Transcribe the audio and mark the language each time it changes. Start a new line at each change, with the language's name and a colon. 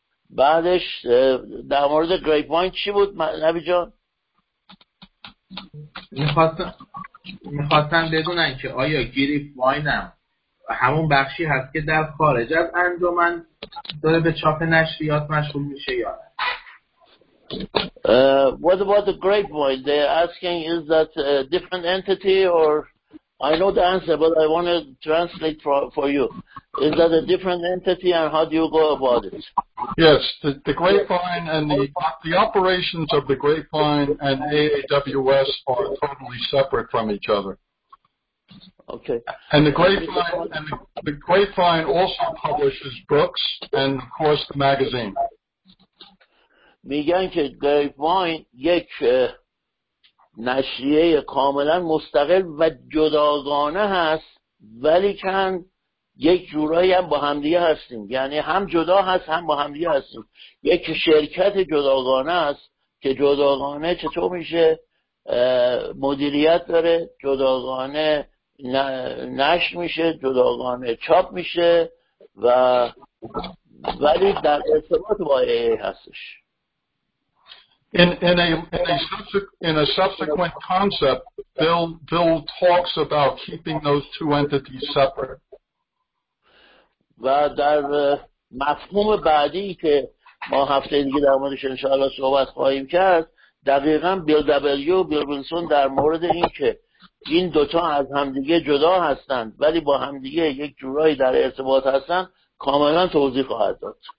Persian: بعدش در مورد گریپ واین چی بود نبی جان؟ میخواستن بدونن که آیا گریپ واین هم همون بخشی هست که در خارج از انجمن داره به چاپ نشریات مشغول میشه یا نه؟
English: What about the grapevine? They're asking, is that a different entity, or I know the answer, but I want to translate for you. Is that a different entity, and how do you go about it? Yes, the grapevine and the operations of the grapevine and AAWS are totally separate from each other. Okay. And the grapevine also publishes books and, of course, the magazine.
Persian: میگن که گریپواین یک نشریه کاملا مستقل و جداگانه هست، ولی کن یک جورایی هم با همدیگه هستیم، یعنی هم جدا هست هم با همدیگه هستیم. یک شرکت جداگانه هست که جداگانه چطور میشه مدیریت داره، جداگانه نشر میشه، جداگانه چاپ میشه، و ولی در ارتباط با ای هستش.
English: In a subsequent concept, Bill talks about keeping those two entities separate.
Persian: و در مفهوم بعدی که ما هفته دیگه در موردش انشاءالله صحبت خواهیم کرد، دقیقاً بیل دبلیو بیل وینسون در مورد این که این دوتا از همدیگه جدا هستند ولی با همدیگه یک جورایی در ارتباط هستند کاملا توضیح خواهد داد.